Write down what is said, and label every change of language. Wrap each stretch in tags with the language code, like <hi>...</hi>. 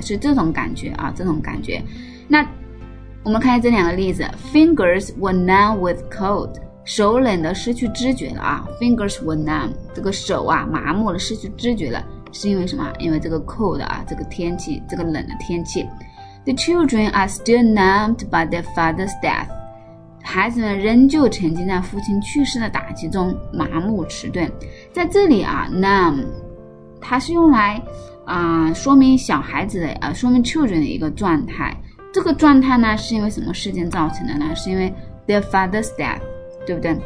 <zh>是这种感觉啊，这种感觉。那我们看一下这两个例子 ，</zh> <en>fingers were numb with cold,</en> <zh>手冷的失去知觉了啊 ，</zh> <en>fingers were numb,</en> <zh>这个手啊麻木了，失去知觉了，是因为什么？因为这个 cold 啊，这个天气，这个冷的天气。</zh> <en>The children are still numbed by their father's death.</en> <zh>孩子们仍旧沉浸在父亲去世的打击中，麻木迟钝。在这里啊 ，numb 它是用来说明小孩子的说明 children 的一个状态。这个状态呢，是因为什么事件造成的呢？是因为</zh> <en>their father's death,</en> <zh>对不对？</zh>